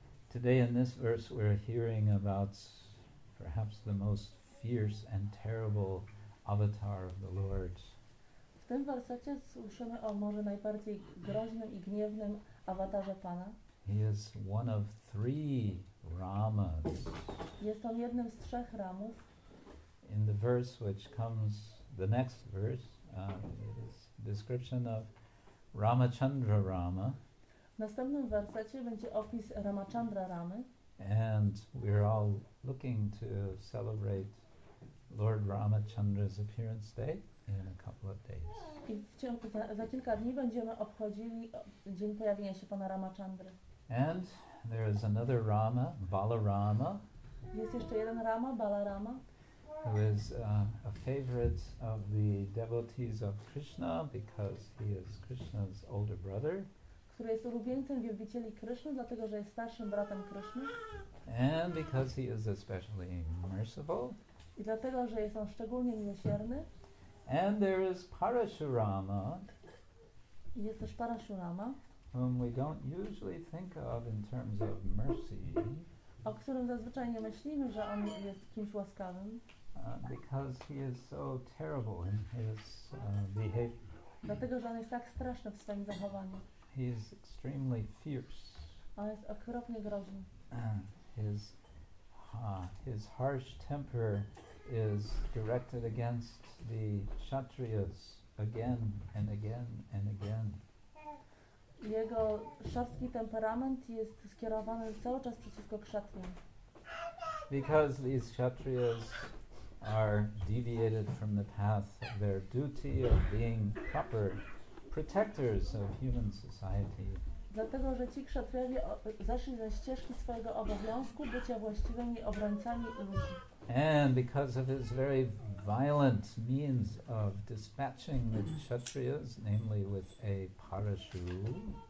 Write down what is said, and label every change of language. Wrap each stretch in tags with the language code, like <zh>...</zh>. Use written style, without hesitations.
<en>Today in this verse we're hearing about perhaps the most fierce and terrible avatar of the Lord.</en> <pl>W tym wersecie słyszymy o może najbardziej groźnym i gniewnym awatarze Pana.</pl> <en>He is one of three Ramas.</en> <pl>Jest on jednym z trzech Ramów.</pl> <en>In the verse which comes, the next verse, it is description of Ramachandra Rama.</en> <pl>W następnym wersecie będzie opis Ramachandra Ramy.</pl> <en>And we're all looking to celebrate Lord Ramachandra's appearance day in a couple of days.</en> <pl>I za kilka dni będziemy obchodzili dzień pojawienia się pana Ramachandry.</pl> <en>And there is another Rama, Balarama.</en> <pl>Jest jeszcze jeden Rama, Balarama.</pl> <en>Who is a favorite of the devotees of Krishna because he is Krishna's older brother.</en> <pl>Który jest ulubieńcem wielbicieli Krishna, dlatego że jest starszym bratem Krishna.</pl> <en>And because he is especially merciful.</en> <pl>I dlatego że jest on szczególnie miłosierny.</pl> <en>And there is Parashurama.</en> <pl>Jest też Parashurama.</pl> <en>Whom we don't usually think of in terms of mercy.</en> <pl>O którym zazwyczaj nie myślimy, że on jest kimś łaskawym.</pl> <en>Because he is so terrible in his behavior.</en> <pl>Dlatego, że on jest tak straszny w swoim zachowaniu.</pl> <en>He is extremely fierce.</en> <pl>On jest okropnie groźny.</pl> <en>His harsh temper is directed against the Kshatriyas again and again and again.</en> <pl>Jego szorstki temperament jest skierowany cały czas przeciwko kszatriom.</pl> <en>Because these kshatriyas are deviated from the path of their duty of being proper protectors of human society.</en> <pl>Dlatego, że ci kszatriowie zeszli ze ścieżki swojego obowiązku bycia właściwymi obrońcami ludzi.</pl> <en>And because of his very violent means of dispatching the kshatriyas, namely with a parashu.</en>